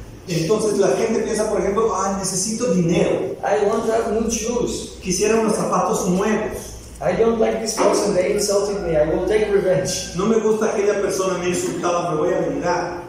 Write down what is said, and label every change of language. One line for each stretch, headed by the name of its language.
Spanish: Entonces la gente piensa, por ejemplo, necesito dinero.
English: I want to have new shoes.
Spanish: Quisiera unos zapatos nuevos.
English: I don't like this person, they insulted me, I will take revenge.
Spanish: No me gusta aquella persona, me ha insultado, me voy a vengar.